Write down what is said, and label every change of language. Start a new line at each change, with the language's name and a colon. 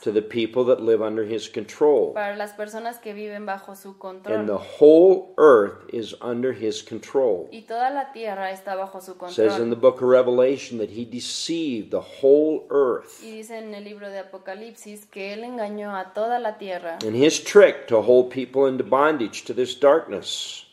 English: To the people that live under his control.
Spanish: Para las personas que viven bajo su control.
English: And the whole earth is under his control.
Spanish: Y toda la tierra está bajo su control.
English: Says in the book of Revelation that he deceived the whole earth.
Spanish: Y dice en el libro de Apocalipsis que él engañó a toda la tierra.
English: And his trick to hold people into bondage to this darkness.